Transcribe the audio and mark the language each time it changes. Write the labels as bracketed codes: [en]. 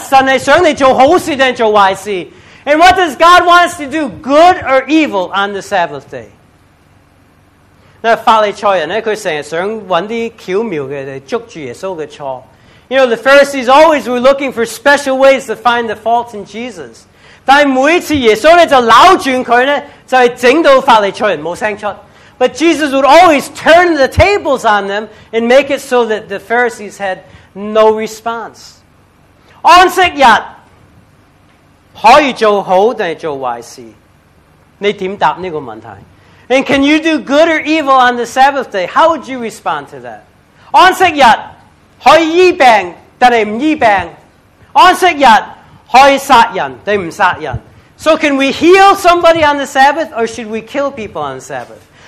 [zh] 你告訴我,在安息日,神是想你做好事還是做壞事? [en] And what does God want us to do, good or evil, on the Sabbath day? [zh] 那法利賽人,他經常想找一些巧妙的,捉住耶穌的錯。 [en] You know, the Pharisees always were looking for special ways to find the faults in Jesus. [zh] 但每次耶穌就扭轉他,就是整到法利賽人沒有聲出。 [en] But Jesus would always turn the tables on them and make it so that the Pharisees had no response. [zh] 安息日,可以做好還是做壞事? 你怎麼回答這個問題? [en] And can you do good or evil on the Sabbath day? How would you respond to that? [zh] 安息日,可以醫病還是不醫病? 安息日,可以殺人還是不殺人? [en] So can we heal somebody on the Sabbath or should we kill people on the Sabbath?